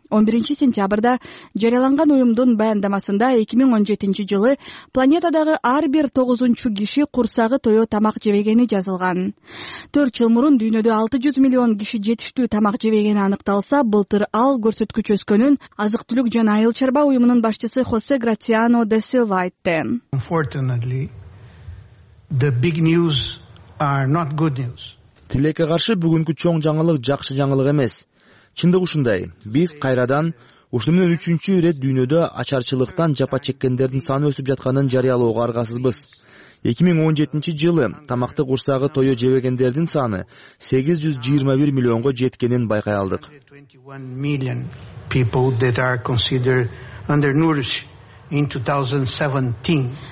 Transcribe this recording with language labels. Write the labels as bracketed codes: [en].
[ky] 11 сентябрда жарыяланган уюмдун баяндамасында 2017 жылы планетадагы ар бир 9-чу киши курсагы тоюп тамак жебегени жазылган. 4 жыл мурун дүйнөдө 600 миллион киши жетиштүү тамак жебегени аныкталса, былтыр ал көрсөткүч өскөнүн азык-түлүк жана айыл чарба уюмунун башчысы Хосе Грациано де Силва айтты. [en] Unfortunately, the big news are not good news. [ky] Тилекке каршы бүгүнкү чоң жаңылык жакшы жаңылык эмес. Чындык ушундай. Биз кайрадан ушул менен 3-чү ирет дүйнөдө ачарчылыктан жапа чеккендердин саны өсүп жатканын жарыялоого аргасызбыз. 2017 жылы тамакты курсагы тоюп жебегендердин саны 821 миллионго жеткенин байкай алдык.